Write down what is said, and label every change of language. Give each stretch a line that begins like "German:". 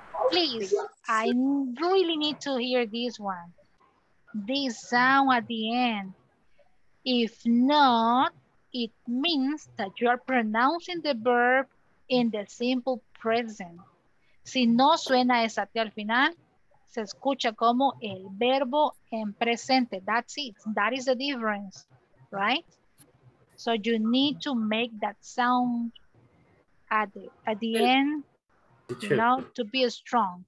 English: Please, I really need to hear this one. This sound at the end. If not, it means that you are pronouncing the verb in the simple present.
Spanish: Si no suena esa T al final, se escucha como el verbo en presente.
English: That's it. That is the difference, right? So you need to make that sound at the end, you know, to be strong.